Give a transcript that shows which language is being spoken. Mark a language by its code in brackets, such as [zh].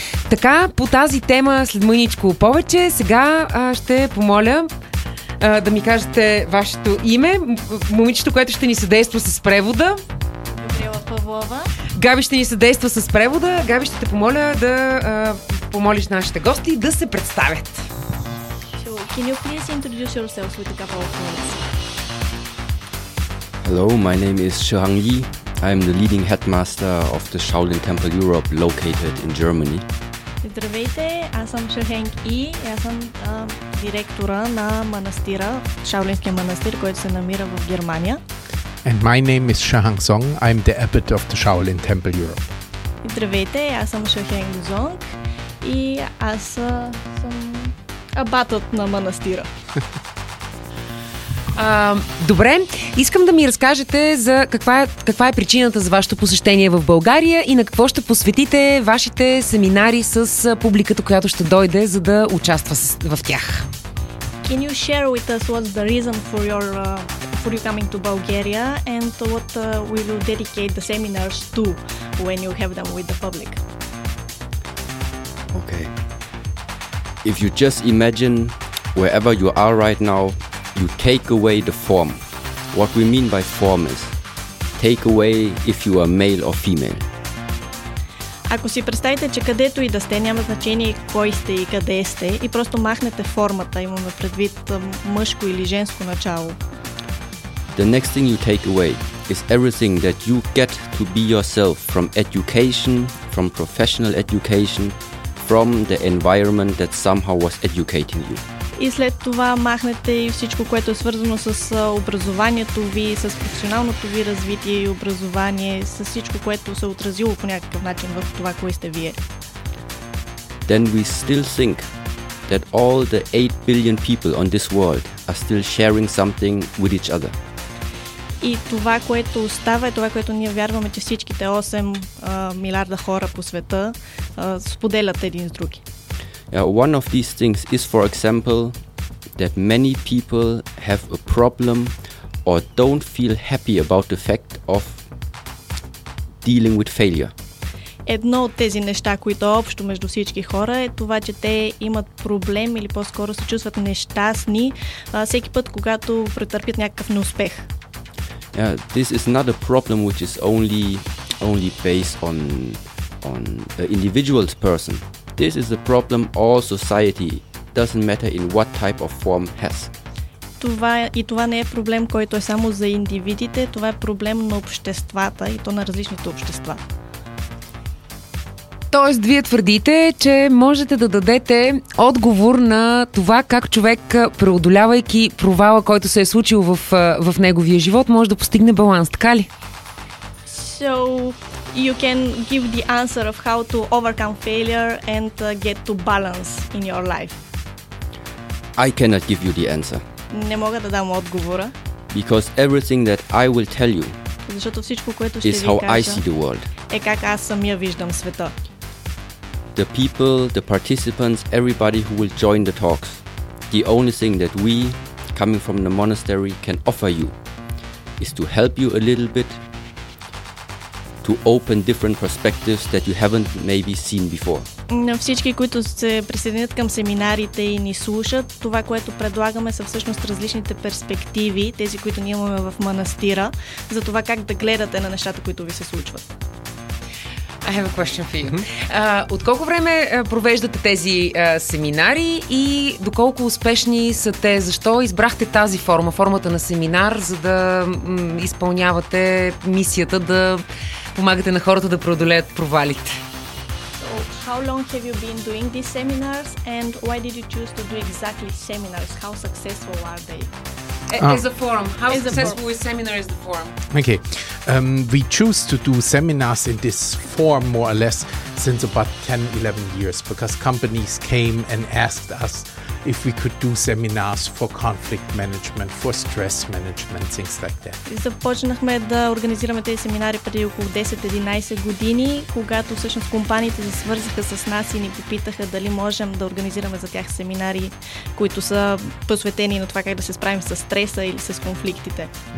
[bg] Така, по тази тема след мъничко повече, сега ще помоля да ми кажете вашето име, момичето, което ще ни съдейства с превода. Габриела Павлова. Габи ще ни съдейства с превода. Габи, ще те помоля да помолиш нашите гости да се представят. [en] Can you please introduce yourself with a couple of words? Hello, my name is Shuhang Yi. I am the leading headmaster of the Shaolin Temple Europe located in Germany. [bg] Здравейте, аз съм Шухенг И, аз съм директора на манастира, Шаолинския манастир, който се намира в Германия. [en] And my name is Шахан Сонг, I'm the abbot of the Shaolin Temple Europe. [bg] Здравейте, аз съм Шухенг Зонг и аз съм абатът на манастира. Добре, искам да ми разкажете за каква е причината за вашето посещение в България и на какво ще посветите вашите семинари с публиката, която ще дойде, за да участва в тях. [en] Can you share with us what's the reason for your for you coming to Bulgaria and what will you dedicate the seminars to when you have them with the public? Okay. If you just imagine wherever you are right now, you take away the form. What we mean by form is take away if you are male or female. [bg] Ако си представите, че където и да сте, няма значение кой сте и къде сте, и просто махнете формата, имаме предвид мъжко или женско начало. [en] The next thing you take away is everything that you get to be yourself from education, from professional education, from the environment that somehow was educating you. [bg] И след това махнете и всичко, което е свързано с образованието ви, с професионалното ви развитие и образование, с всичко, което се отразило по някакъв начин в това, кое сте вие. [en] Then we still think that all the 8 billion people on this world are still sharing something with each other. [bg] И това, което остава, е това, което ние вярваме, че всичките 8 милиарда хора по света споделят един с други. [en] Yeah, one of these things is, for example, that many people have a problem or don't feel happy about the fact of dealing with failure. [bg] Едно от тези неща, които е общо между всички хора, е това, че те имат проблем или по-скоро се чувстват нещастни всеки път, когато претърпят някакъв неуспех. [en] Yeah, this is not a problem which is only based on the individual's person. This is a problem all society, doesn't matter in what type of form, has. [bg] Това не е проблем, който е само за индивидите, това е проблем на обществата и то на различните общества. Тоест, вие твърдите, че можете да дадете отговор на това как човек, преодолявайки провала, който се е случил в неговия живот, може да постигне баланс, така ли? [en] So you can give the answer of how to overcome failure and get to balance in your life. I cannot give you the answer. [bg] Не мога да дам отговора. [en] Because everything that I will tell you, [bg] защото всичко, което ще ви кажа, [en] I see the world. [bg] Е как аз самия виждам света. [en] The people, the participants, everybody who will join the talks. The only thing that we, coming from the monastery, can offer you is to help you a little bit to open different perspectives that you haven't maybe seen before. [bg] На всички, които се присъединят към семинарите и ни слушат, това, което предлагаме, са всъщност различните перспективи, тези, които ние имаме в манастира, за това как да гледате на нещата, които ви се случват. [en] I have a question for you. [bg] От колко време провеждате тези семинари и доколко успешни са те? Защо избрахте тази форма, формата на семинар, за да изпълнявате мисията да помагате на хората да преодолеят провалите? [en] So, how long have you been doing these seminars and why did you choose to do exactly seminars? How successful are they? As a forum. How is successful with seminar is the forum? Okay. We choose to do seminars in this form more or less since about 10, 11 years because companies came and asked us if we could do seminars for conflict management, for stress management, things like that. [bg] Започнахме да организираме тези семинари преди около 10-11 години, когато всъщност компаниите се свързаха с нас и ни попитаха дали можем да организираме за тях семинари, които са посветени на това как да се справим с стреса или с конфликтите.